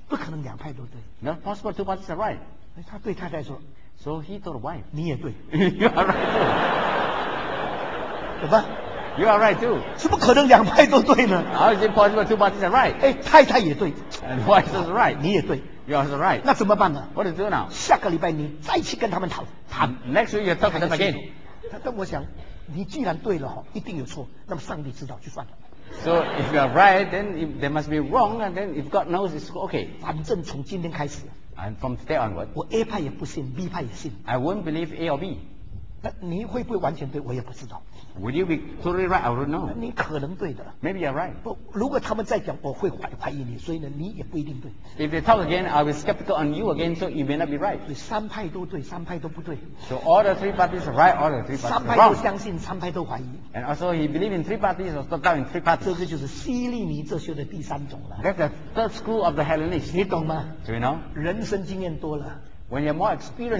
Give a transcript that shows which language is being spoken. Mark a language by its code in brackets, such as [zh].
[zh] 不可能两派都对。 [en] Not possible two parties are right. [zh] 他对太太说。 [en] So he told the wife. [zh] 你也对。 [en] You are right too. [zh] 怎么？ [en] You are right too. [zh] 怎么可能两派都对呢 [en] ？How is it possible two parties are right? [zh] 哎，太太也对。 [en] And wife is right. [zh] 你也对。 [en] You are right. [zh] 那怎么办呢 [en] ？What do you do now? [zh] 下个礼拜你再去跟他们谈。 [en] Next week you talk to them again. [zh] 但我想，你既然对了一定有错，那么上帝知道就算了。 [en] So if you are right, then there must be wrong, and then if God knows, it's okay. [zh] 反正从今天开始。 [en] And from today onward. [zh] 我 A 派也不信 ，B 派也信。 [en] I won't believe A or B. [zh] 那你会不会完全对？我也不知道。 [en] Would you be totally right? I don't know. [zh] 你可能对的。 [en] Maybe you're right. [zh] 不，如果他们再讲，我会怀疑你，所以呢，你也不一定对。 [en] If they talk again, I'll be skeptical on you again, so you may not be right. [zh] 你三派都对，三派都不对。 [en] So all the three parties are right, all the three parties are wrong. [zh] 三派都相信，三派都怀疑。 [en] And also he believe in three parties or stuck down in three parties. [zh] 这个就是希利尼哲学的第三种了。 [en] That's the third school of the Hellenists. [zh] 你懂吗 [en] ？Do you know? [zh] 人生经验多了。 [en] When you're more experienced in life,